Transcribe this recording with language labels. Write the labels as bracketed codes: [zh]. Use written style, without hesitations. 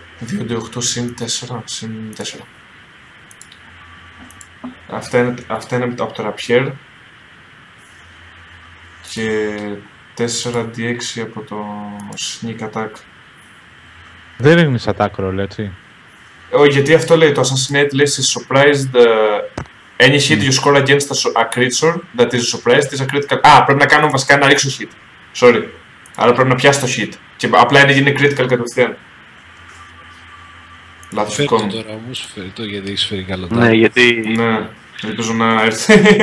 [el] 2D8 συν 4, συν 4. Αυτά είναι από το ραπιέρ. Και 4D6 από το sneak attack. Δεν είναι σαν τάκρο, έτσι. Όχι, γιατί αυτό λέει, το assassinate λέει, [en] surprised any hit you score against a creature that is surprised is a critical. [el] Α, πρέπει να κάνω βασικά να ρίξω hit. Sorry. Άρα πρέπει να πιάσω το hit. Και απλά είναι γίνει critical κατευθείαν. Λάθος κόμμα. Φέρετε τώρα όμως, φέρετε, γιατί έχεις φέρει καλό τάκι. Ναι, γιατί... Ναι, ελπίζω να έρθει.